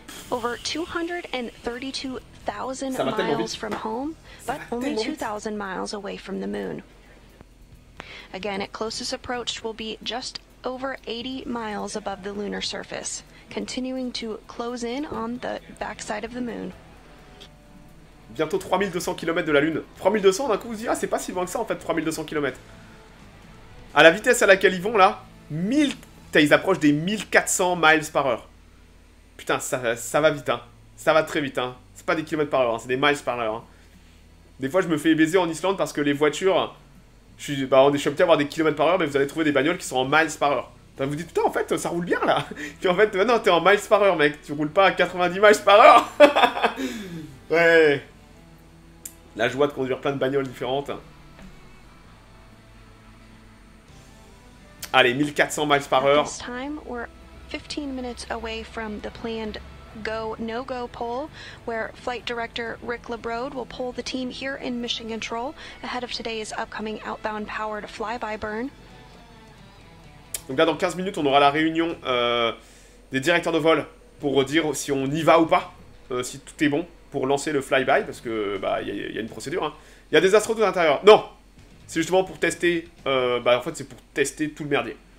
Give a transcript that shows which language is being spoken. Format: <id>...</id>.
<en>Over 232,000 miles from home, but only 2,000 miles away from the moon. Again, at closest approach will be just over 80 miles above the lunar surface, continuing to close in on the backside of the moon.</en> <fr>Bientôt 3200 km de la Lune. 3200 d'un coup, vous dites, ah, c'est pas si loin que ça en fait, 3200 km. À la vitesse à laquelle ils vont là, ils approchent des 1400 miles par heure. Putain, ça va vite, hein. Ça va très vite, hein. C'est pas des kilomètres par heure, hein, c'est des miles par heure. Hein. Des fois, je me fais baiser en Islande parce que les voitures. On est choqué à avoir des kilomètres par heure, mais vous allez trouver des bagnoles qui sont en miles par heure. Enfin, vous dites, putain, en fait, ça roule bien, là. Puis en fait, maintenant, t'es en miles par heure, mec. Tu roules pas à 90 miles par heure. Ouais. La joie de conduire plein de bagnoles différentes. Allez, 1400 miles par heure.</fr> <en>This time, we're 15 minutes away from the planned go, no-go poll, where flight director Rick LeBrode will poll the team here in Mission Control ahead of today's upcoming outbound powered flyby burn.</en> <fr>Donc là, dans 15 minutes, on aura la réunion des directeurs de vol pour dire si on y va ou pas, si tout est bon pour lancer le flyby, parce que y a une procédure. Hein. Il y a des astronautes à l'intérieur. Non, c'est justement pour tester. En fait, c'est pour tester tout le merdier.</fr>